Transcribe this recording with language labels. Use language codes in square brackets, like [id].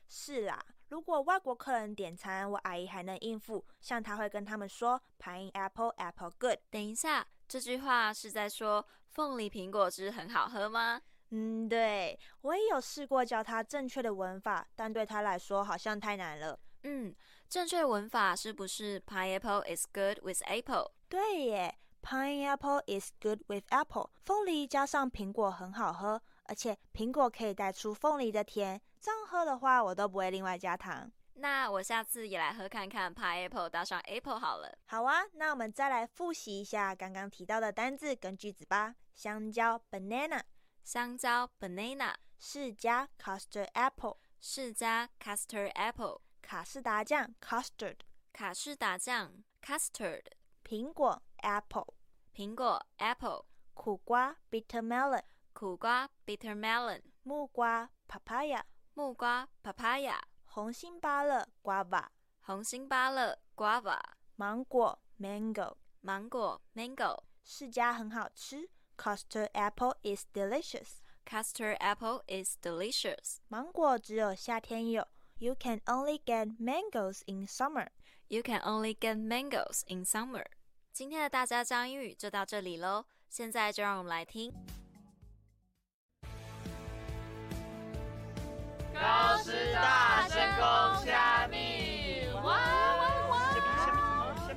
[zh] 是啦，如果外国客人点餐我阿姨还能应付，像她会跟他们说 [en] pineapple apple good。 [zh] 等一下，这句话是在说凤梨苹果汁很好喝吗？嗯，对，我也有试过教他正确的文法，但对他来说好像太难了。嗯，正确文法是不是 [en] pineapple is good with apple？ [zh] 对耶， [en] pineapple is good with apple， [zh] 凤梨加上苹果很好喝，而且苹果可以带出凤梨的甜，这样喝的话我都不会另外加糖。那我下次也来喝看看 pineapple 加上 apple 好了。好啊，那我们再来复习一下刚刚提到的单字跟句子吧。香蕉 banana，香蕉 banana，释迦 custard apple，释迦 custard apple，卡士达酱 custard，卡士达酱 custard，苹果 apple，苹果 apple，苦瓜 bitter melon，苦瓜 bitter melon，木瓜 papaya，木瓜 papaya，红心芭乐 guava，红心芭乐 guava，芒果 mango，芒果 mango，释迦很好吃。 [en] Custard apple is delicious. Custard apple is delicious. [zh] 芒果只有夏天有。 [en] You can only get mangoes in summer. You can only get mangoes in summer. [zh] 今天的大家讲英语就到这里咯，现在就让我们来听高师大声公虾米。哇哇哇，